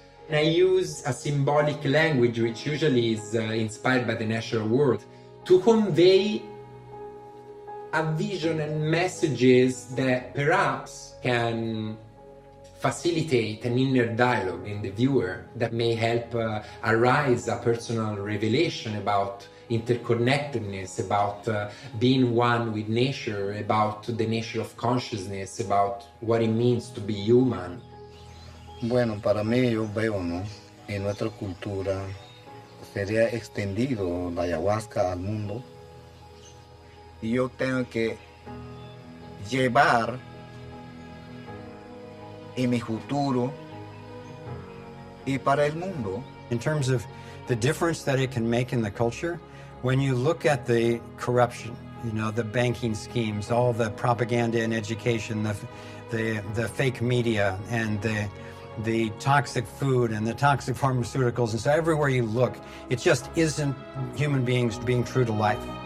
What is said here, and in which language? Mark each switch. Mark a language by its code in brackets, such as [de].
[en] And I use a symbolic language, which usually is inspired by the natural world, to convey a vision and messages that perhaps can facilitate an inner dialogue in the viewer that may help arise a personal revelation about interconnectedness, about being one with nature, about the nature of consciousness, about what it means to be human. [es] Bueno, para mí yo veo, ¿no? En nuestra cultura sería extendido la ayahuasca al mundo. Y yo tengo que llevar en mi futuro y para el mundo. [en] In terms of the difference that it can make in the culture, when you look at the corruption, you know, the banking schemes, all the propaganda and education, the fake media and the toxic food and the toxic pharmaceuticals, and so everywhere you look, it just isn't human beings being true to life.